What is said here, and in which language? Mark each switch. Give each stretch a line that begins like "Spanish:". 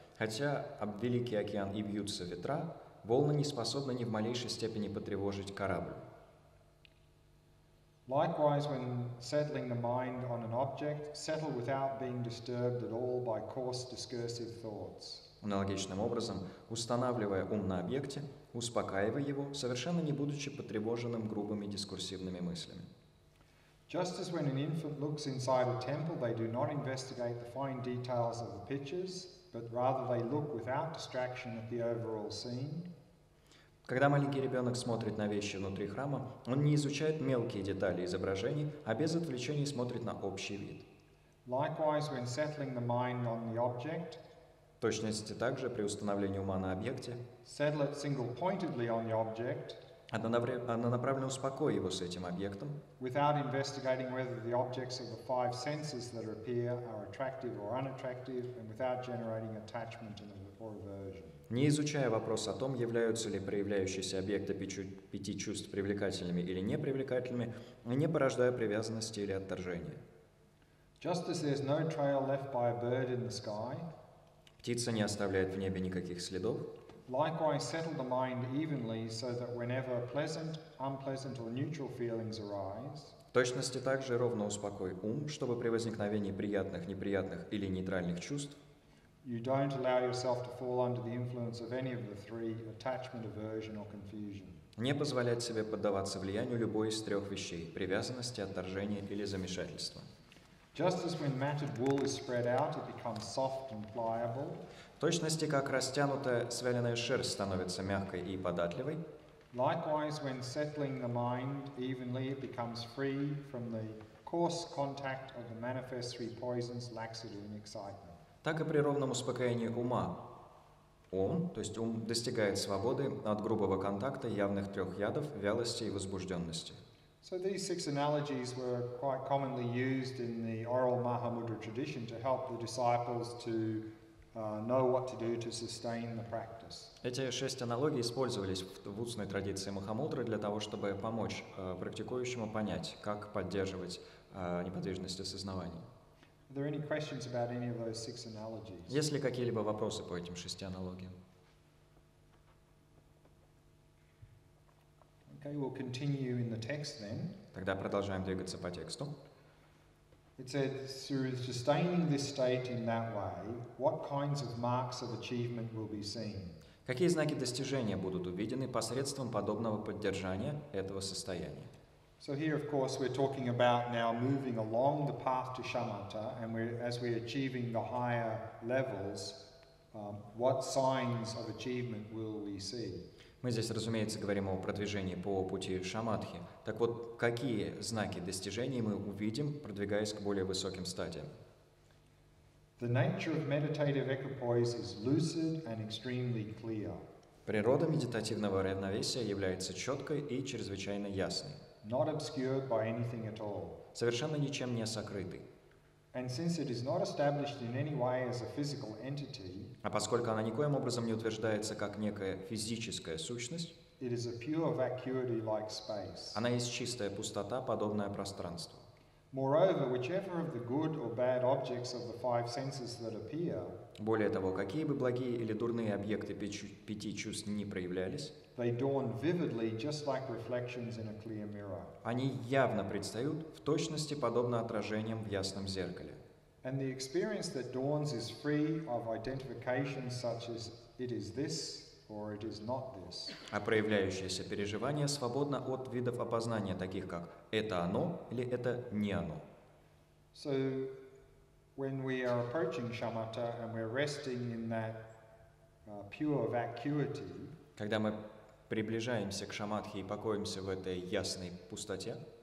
Russian: Хотя об великий океан и бьются ветра, волны не способны ни в малейшей степени потревожить корабль.
English: Likewise, when settling the mind on an object, settle without being disturbed at all by coarse discursive thoughts.
Russian: Аналогичным образом, устанавливая ум на объекте, успокаивая его, совершенно не будучи потревоженным грубыми дискурсивными мыслями.
English: Just as when an infant looks inside a temple, they do not investigate the fine details of the pictures, but rather they look without distraction at the overall scene.
Russian: Когда маленький ребенок смотрит на вещи внутри храма, он не изучает мелкие детали изображений, а без отвлечений смотрит на общий вид.
English: Likewise, when settling the mind on the object,
Russian: в точности также при установлении ума на объекте,
English: settle it single-pointedly on the object,
Russian: однонаправленно успокой его с этим объектом,
English: without investigating whether the objects of the five senses that appear are attractive or unattractive, and without generating attachment or aversion.
Russian: Не изучая вопрос о том, являются ли проявляющиеся объекты пяти чувств привлекательными или непривлекательными, и не порождая привязанности или отторжения.
English: Just as there's no trail left by a bird in the sky,
Russian: птица не оставляет в небе никаких следов.
English: Likewise, settle the mind evenly so that whenever pleasant, unpleasant or neutral feelings arise,
Russian: в точности также ровно успокой ум, чтобы при возникновении приятных, неприятных или нейтральных чувств
English: you don't allow yourself to fall under the influence of any of the three, attachment, aversion, or confusion.
Russian: Не позволять себе поддаваться влиянию любой из трех вещей, привязанности, отторжения или замешательства.
English: Just as when matted wool is spread out, it becomes soft and pliable.
Russian: точности как растянутая свяленая шерсть становится мягкой и податливой.
English: Likewise, when settling the mind evenly, it becomes free from the coarse contact of the manifestory poisons, laxity and excitement.
Russian: Так и при ровном успокоении ума, ум, то есть ум, достигает свободы от грубого контакта явных трех ядов вялости и возбужденности.
English: So these six analogies were quite commonly used in the oral Mahamudra tradition to help the disciples to know what to do to sustain the practice.
Russian: Эти шесть аналогий использовались в устной традиции Махамудры для того, чтобы помочь практикующему понять, как поддерживать неподвижность осознавания.
English: Are there any questions about any of those six analogies?
Russian: Есть ли какие-либо вопросы по этим шести аналогиям?
English: Okay, we'll continue in the text then.
Russian: Тогда продолжаем двигаться по тексту.
English: It said, through sustaining this state in that way, what kinds of marks of achievement will be seen?
Russian: Какие знаки достижения будут увидены посредством подобного поддержания этого состояния?
English: So here, of course, we're talking about now moving along the path to shamatha, and as we're achieving the higher levels, what signs of achievement will we see?
Russian: Мы здесь, разумеется, говорим о продвижении по пути шамадхи. Так вот, какие знаки достижений мы увидим, продвигаясь к более высоким стадиям?
English: The nature of meditative equipoise is lucid and extremely clear.
Russian: Природа медитативного равновесия является четкой и чрезвычайно ясной.
English: Not obscured by anything at all.
Russian: Совершенно ничем не сокрытой.
English: And since it is not established in any way as a physical entity,
Russian: а поскольку она никоим образом не утверждается как некая физическая сущность,
English: it is a pure vacuity like space.
Russian: Она есть чистая пустота, подобная пространству.
English: Moreover, whichever of the good or bad objects of the five senses that appear,
Russian: более того, какие бы благие или дурные объекты пяти чувств ни проявлялись,
English: they dawn vividly, just like reflections in a clear mirror.
Russian: Они явно предстают в точности подобно отражениям в ясном зеркале.
English: And the experience that dawns is free of identification, such as it is this or it is not this.
Russian: А проявляющееся переживание свободно от видов опознания, таких как это оно или это не оно.
English: So, when we are approaching shamatha and we're resting in that pure vacuity,
Russian: когда мы приближаемся к шамадхе и покоимся в этой ясной пустоте,